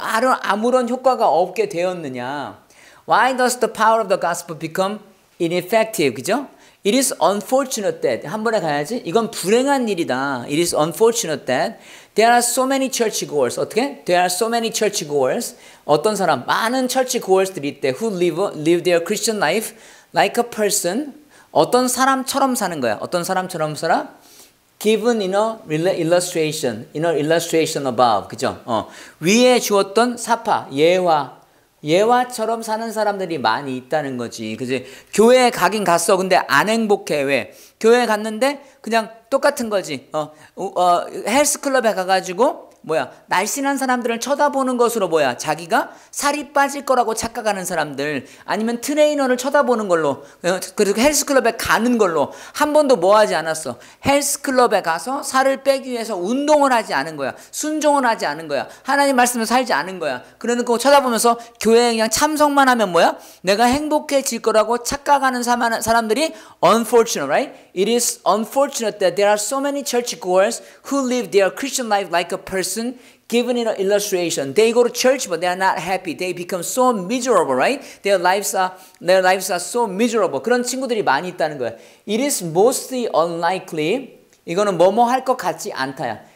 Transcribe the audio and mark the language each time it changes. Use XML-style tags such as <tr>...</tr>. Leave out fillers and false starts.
<ko>아무런 효과가 없게 되었느냐?</ko> <en>Why does the power of the gospel become ineffective?</en> <ko>그죠?</ko> <en>It is unfortunate that</en> <ko>한 번에 가야지. 이건 불행한 일이다.</ko> <en>It is unfortunate that there are so many churchgoers.</en> <ko>어떻게?</ko> <en>There are so many churchgoers.</en> <ko>어떤 사람? 많은 churchgoers들이 있대.</ko> <en>Who live their Christian life like a person.</en> <ko>어떤 사람처럼 사는 거야? 어떤 사람처럼 살아?</ko> <en>Given in a illustration, in a illustration above,</en> <ko>그죠? 위에 주었던 사파, 예화처럼 사는 사람들이 많이 있다는 거지. 그지? 교회에 가긴 갔어. 근데 안 행복해. 왜? 교회에 갔는데 그냥 똑같은 거지. 헬스클럽에 가가지고, 날씬한 사람들을 쳐다보는 것으로 뭐야? 자기가 살이 빠질 거라고 착각하는 사람들, 아니면 트레이너를 쳐다보는 걸로, 그래서 헬스클럽에 가는 걸로 한 번도 뭐 하지 않았어. 헬스클럽에 가서 살을 빼기 위해서 운동을 하지 않은 거야. 순종을 하지 않은 거야. 하나님 말씀을 살지 않은 거야. 그러는 거 쳐다보면서 교회에 그냥 참석만 하면 뭐야? 내가 행복해질 거라고 착각하는 사람들이</ko> <en>unfortunate, right? It is unfortunate that there are so many churchgoers who live their Christian life like a person. Person given in an illustration, they go to church, but they are not happy. They become so miserable, right? Their lives are so miserable.</en> <ko>그런 친구들이 많이 있다는 거야.</ko> <en>It is mostly unlikely.</en> <ko>이거는 뭐뭐 할 것 같지 않다야.</ko>